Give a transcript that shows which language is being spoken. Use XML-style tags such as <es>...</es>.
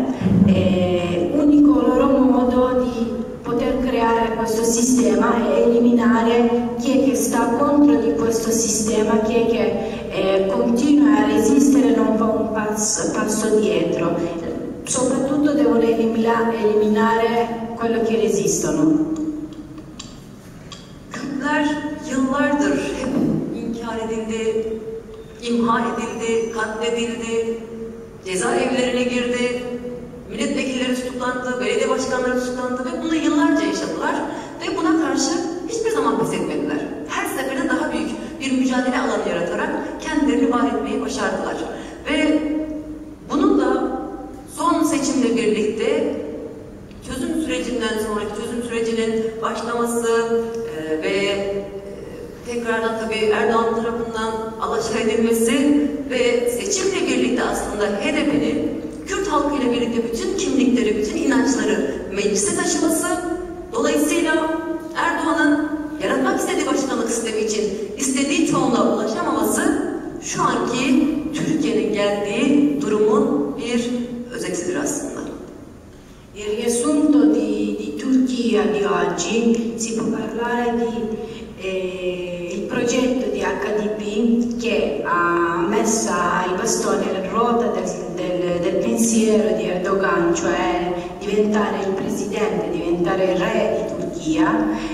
<it>Unico loro modo di poter creare questo sistema è eliminare chi è che sta contro di questo sistema, chi è che continua a resistere, non fa un passo dietro. Soprattutto devono eliminare quello che resistono.</it> <tr>Kadınlar yıllardır hep inkar edildi, imha edildi, katledildi, cezaevlerine girdi, milletvekilleri tutuklandı, belediye başkanları tutuklandı ve bunu yıllarca yaşadılar. Ve buna karşı hiçbir zaman pes etmediler. Her seferinde daha büyük bir mücadele alanı yaratarak kendilerini var etmeyi başardılar. Ve bununla son seçimle birlikte çözüm sürecinden sonraki çözüm sürecinin başlaması ve tekrardan tabii Erdoğan tarafından alaşağı edilmesi ve seçimle birlikte aslında HDP'nin Kürt halkıyla birlikte bütün kimlikleri, bütün inançları meclise taşıması, dolayısıyla Erdoğan'ın yaratmak istediği başkanlık sistemi için istediği çoğunluğa ulaşamaması şu anki Türkiye'nin geldiği durumun bir özetidir aslında.</tr> <it>Il riassunto di Turchia di oggi, si può parlare di il progetto di HDP che ha messo i bastoni alla ruota del pensiero di Erdogan, cioè diventare il presidente, diventare il re di Turchia,</it>